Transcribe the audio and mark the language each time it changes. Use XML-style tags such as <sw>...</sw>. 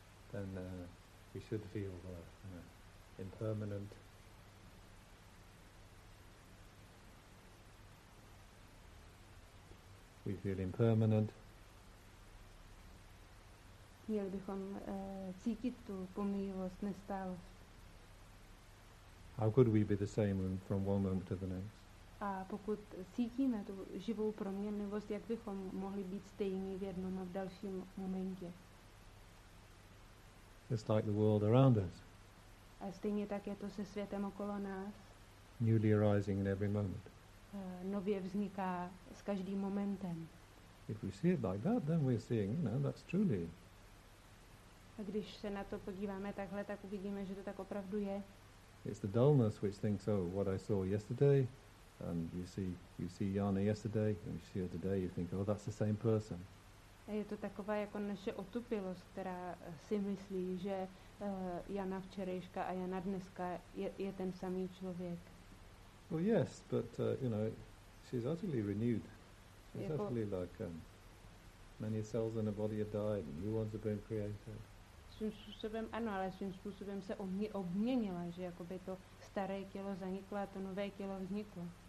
<en>Then we should feel impermanent. We feel impermanent.</en> <cs>Měli bychom cítit tu pomíjivost, nestálost.</cs> <en>How could we be the same from one moment to the next?</en> <cs>A pokud cítíme tu živou proměnlivost, jak bychom mohli být stejní v jednom a v dalším momentě?</cs> <en>Just like the world around us.</en> <cs>A stejně tak je to se světem okolo nás.</cs> <en>Newly arising in every moment.</en> <cs>Nově vzniká s každým momentem.</cs> <en>If we see it like that, then we're seeing, that's truly.</en> <cs>A když se na to podíváme takhle, tak uvidíme, že to tak opravdu je.</cs> <en>It's the dullness which thinks, oh, what I saw yesterday, and you see Jana yesterday, and you see her today, you think, oh, that's the same person.</en> <cs>A je to taková jako naše otupilost, která si myslí, že Jana včerejška a Jana dneska je ten samý člověk.</cs> <en>Well, yes, but, she's utterly renewed. She's utterly like many cells in her body have died, and new ones have been created.</en> <cs>Svým způsobem, ano, ale svým způsobem se obměnila, že jakoby to staré tělo zaniklo a to nové tělo vzniklo.</cs>